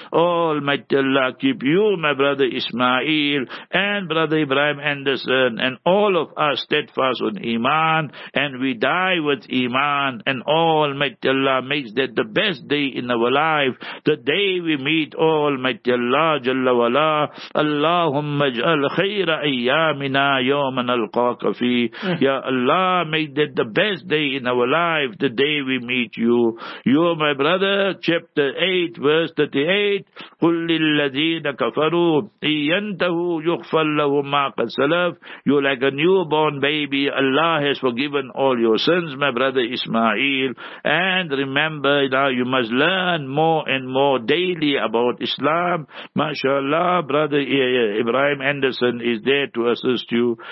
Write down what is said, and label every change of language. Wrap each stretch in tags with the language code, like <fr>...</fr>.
<en>Almighty Allah keep you, my brother Ismail, and brother Ibrahim Anderson, and all of us steadfast on Iman, and we die with Iman, and Almighty Allah makes that the best day in our life, the day we meet Almighty Allah, Jalla Wala.</en> <ar>Allahumma ij'al khayra ayyamina yawma nalqaka fi.</ar> <en>Ya Allah, make that the best day in our life, the day we meet you. You, my brother, chapter 8, verse 38.</en> <ar>قل للذين كفروا ينتهوا يغفر لهم ما قد سلف.</ar> <en>You're like a newborn baby. Allah has forgiven all your sins, my brother Ismail. And remember, now you must learn more and more daily about Islam. MashaAllah, brother Ibrahim Anderson is there to assist you.</en>